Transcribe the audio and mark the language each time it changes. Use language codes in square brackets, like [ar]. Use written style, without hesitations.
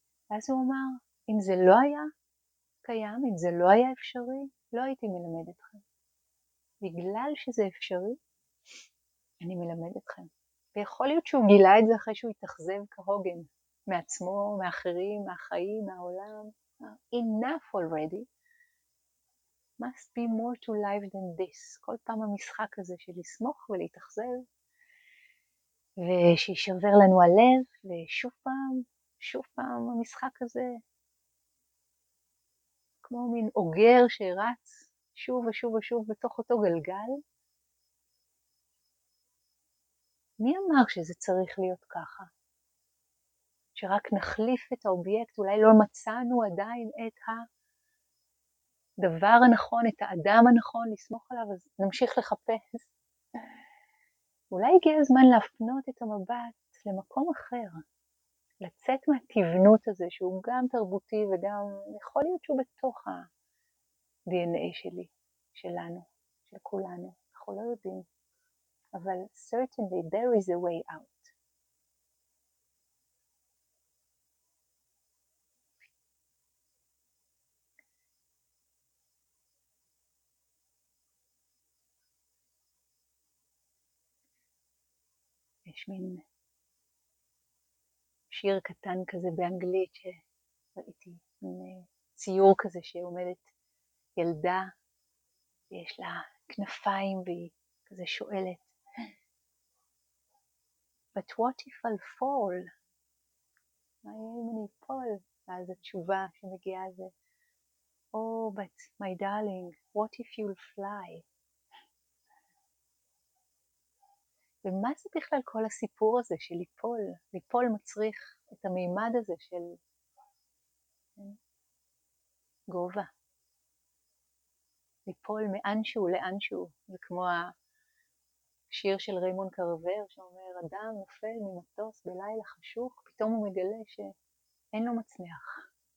[he] ואז הוא אמר, אם זה לא היה קיים, אם זה לא היה אפשרי, לא הייתי מלמד אתכם. בגלל שזה אפשרי, אני מלמד אתכם. ויכול להיות שהוא גילה את זה אחרי שהוא התאכזב כהוגן, מעצמו, מאחרים, מהחיים, מהעולם. [en] Enough already. Must be more to life than this. [he] כל פעם המשחק הזה של לסמוך ולהתאכזב, ושישבר לנו הלב, ושוב פעם, שוב פעם המשחק הזה, כמו מין אוגר שרץ שוב ושוב ושוב בתוך אותו גלגל. מי אמר שזה צריך להיות ככה? שרק נחליף את האובייקט, אולי לא מצאנו עדיין את ה... דבר הנכון, את האדם הנכון, לסמוך עליו, אז נמשיך לחפש. אולי הגיע הזמן להפנות את המבט למקום אחר, לצאת מהתבנות הזה, שהוא גם תרבותי וגם יכול להיות שהוא בתוך ה-DNA שלי, שלנו, של כולנו. אנחנו לא יודעים. [en] אבל certainly there is a way out. [he] יש מין שיר קטן כזה באנגלית שראיתי, מין ציור כזה שעומדת ילדה ויש לה כנפיים והיא כזה שואלת, [en] but what if I'll fall? [he] מה אם אני אפול? ואז התשובה שמגיעה זה, [en] oh, but my darling, what if you'll fly? [he] ומה זה בכלל כל הסיפור הזה של ליפול? ליפול מצריך את המימד הזה של גובה. ליפול מאנשהו לאנשהו, זה כמו השיר של ריימון קרבר שאומר, אדם נופל ממטוס בלילה חשוך, פתאום הוא מגלה שאין לו מצנח.